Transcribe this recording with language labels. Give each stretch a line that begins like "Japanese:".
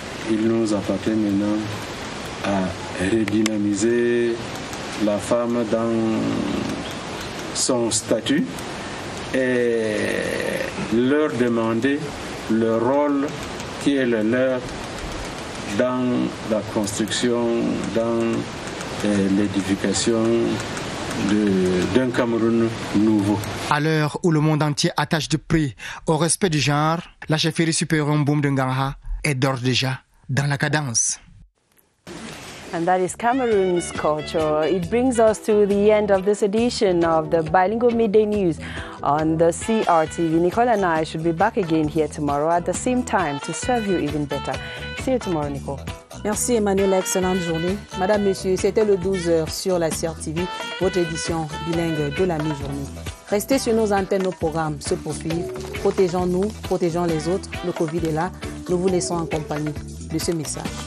French: Il nous appartient maintenant à redynamiser la femme dans son statut et leur demander le rôle qui est le leur dans la construction, dans l'édification d'un Cameroun nouveau. À l'heure où le monde entier attache de prix au respect du genre, la chefferie supérieure Mboum de Nganga est d'ores déjà dans la cadence.
English: And that is Cameroon's culture. It brings us to the end of this edition of the Bilingual Midday News on the CRTV. Nicole and I should be back again here tomorrow at the same time to serve you even better. See you tomorrow, Nicole.
French: Merci Emmanuel, excellente journée. Madame, Monsieur, c'était le 12 heures sur la CRTV, votre édition bilingue de la mi-journée. Restez sur nos antennes, nos programmes se poursuivent. Protégeons-nous, protégeons les autres. Le Covid est là. Nous vous laissons en compagnie de ce message.